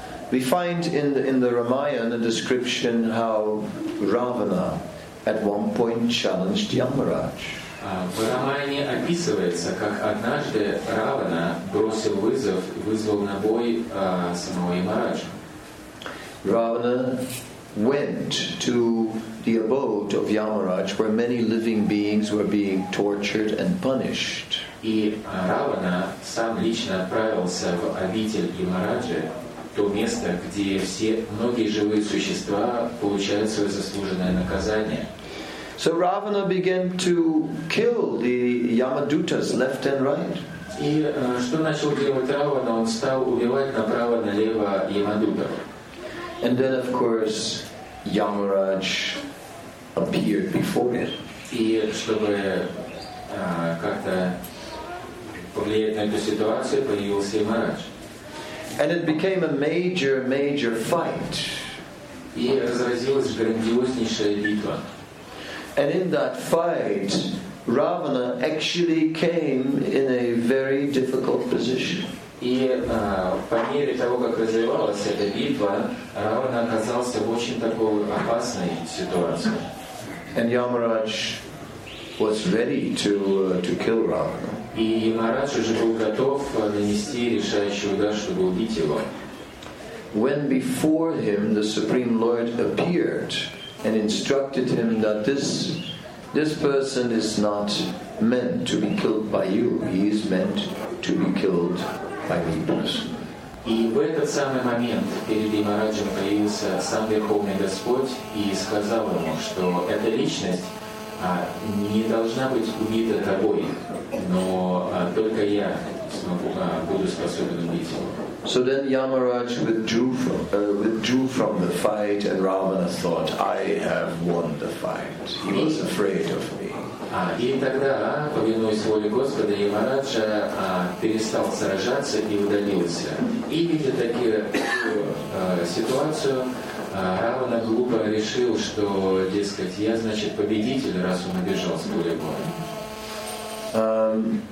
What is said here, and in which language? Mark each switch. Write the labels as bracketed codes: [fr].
[en] We find in the Ramayana a description how Ravana at one point challenged Yamaraj. [ru] В Рамаяне описывается, как однажды Равана бросил вызов и вызвал на бой самого Ямараджу. [en] Ravana went to the abode of Yamaraj, where many living beings were being tortured and punished. [ru] И Равана сам лично отправился в обитель Ямараджа, то место, где все многие живые существа получают свое заслуженное наказание. [en] So Ravana began to kill the Yamadutas left and right. [ru] И что начал делать Равана? Он стал убивать направо налево Ямадутов. [en] And then, of course, Yamaraj appeared before him. [ru] И чтобы как-то повлиять на эту ситуацию, появился Ямарадж. [en] And it became a major, major fight. [ru] И разразилась грандиознейшая битва. [en] And in that fight, Ravana actually came in a very difficult position. [ru] И по мере того, как развивалась эта битва, Равана оказался в очень такой опасной ситуации. [en] And Yamaraj was ready to kill Ravana. [ru] И Ямарадж уже был готов нанести решающий удар, чтобы убить его. [en] When before him the Supreme Lord appeared and instructed him that this person is not meant to be killed by you, he is meant to be killed by me. [ru] И в этот самый момент перед Ямараджем появился сам Верховный Господь и сказал ему, что эта личность не должна быть убита тобой, но только я буду способен убить его. [en] So then Yamaraj withdrew from the fight, and Ravana thought, I have won the fight. He was afraid of me. [ru] И тогда, повинуясь воле Господа, Ямарадж перестал сражаться и удалился. И видя такую ситуацию, Равана глупо решил, что, дескать, я, значит, победитель, раз он убежал с воли Бога.